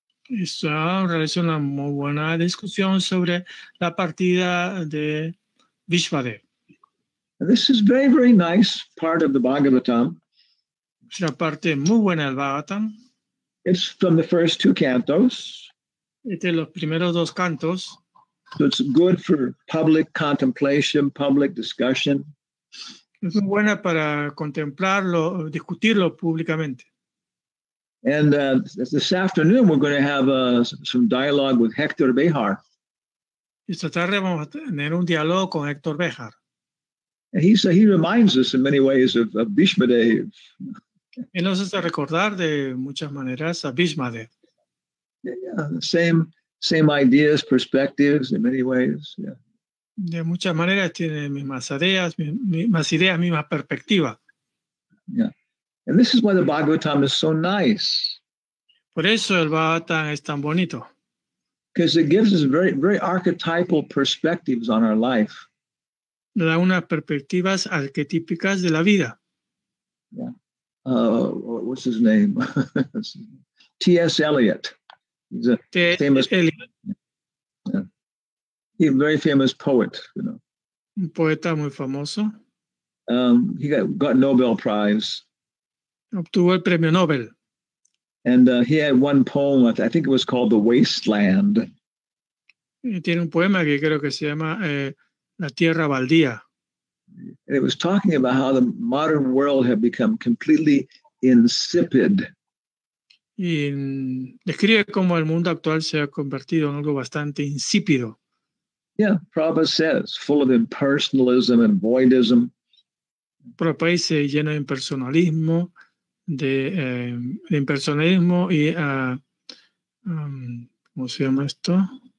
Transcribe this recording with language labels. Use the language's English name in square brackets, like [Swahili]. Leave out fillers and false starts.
[Spanish] Está realizando una muy buena discusión sobre la partida de Bhishma Dev. [English] This is very, very nice part of the Bhagavatam. [Spanish] Es una parte muy buena del Bhagavatam. [English] It's from the first two cantos. [Spanish] Este es los primeros dos cantos. [English] So it's good for public contemplation, public discussion. [Spanish] Es muy buena para contemplarlo, discutirlo públicamente. [English] And this afternoon we're going to have some dialogue with Hector Bejar. [Spanish] Esta tarde vamos a tener un diálogo con Hector Bejar. [English] And he reminds us in many ways of Bhishma Dev. [Spanish] Él nos hace recordar de muchas maneras a Bhishma Dev. [English] Yeah, same ideas, perspectives in many ways. Yeah. [Spanish] De muchas maneras tiene mismas ideas, mismas perspectivas. [English] Yeah. And this is why the Bhagavatam is so nice. [Spanish] Por eso el Bhagavatam es tan bonito. [English] Because it gives us very, very archetypal perspectives on our life. [Spanish] Da unas perspectivas arquetípicas de la vida. [English] Yeah. What's his name? T.S. Eliot. He's a famous Eliot. Yeah. He's a very famous poet, [Spanish] Un poeta muy famoso. [English] He got Nobel Prize. [Spanish] Obtuvo el premio Nobel. [English] And he had one poem, I think it was called The Wasteland. [Spanish] Tiene un poema que creo que se llama La Tierra Baldía. [English] And it was talking about how the modern world had become completely insipid. [Spanish] Y describe cómo el mundo actual se ha convertido en algo bastante insípido. [English] Yeah, Prabhupada says, full of impersonalism and voidism. [Spanish] Prabhupada dice, lleno de impersonalismo, de impersonalismo y, ¿cómo se llama esto?